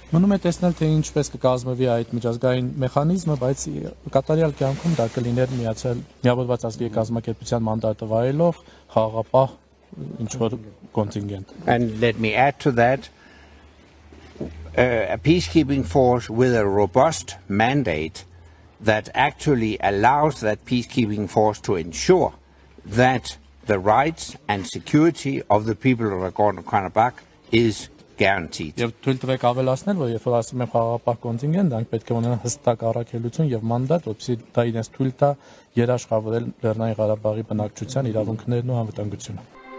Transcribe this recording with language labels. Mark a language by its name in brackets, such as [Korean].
[Armenian] Մնում է տեսնել, թե ինչպես կկազմվի այդ միջազգային մեխանիզմը, բայց կատարյալ կյանքում դա կլիներ միացել միավորված ազգերի կազմակերպության մանդատը վայելով խաղապահ ինչ-որ կոնտինգենտ։ [English] And let me add to that, a peacekeeping force with a robust mandate that actually allows that peacekeeping force to ensure that the rights and security of the people of Nagorno-Karabakh is guaranteed. [Armenian] Եվ թույլ տվեք ավելացնել, որ երբ որ ասում եմ խաղապահ կոնտինգենտ, դա պետք է ունենա հստակ առաքելություն եւ մանդատ, որպեսզի դա իրենց թույլ տա երաշխավորել Լեռնային Ղարաբաղի բնակչության իրավունքներն ու անվտանգությունը։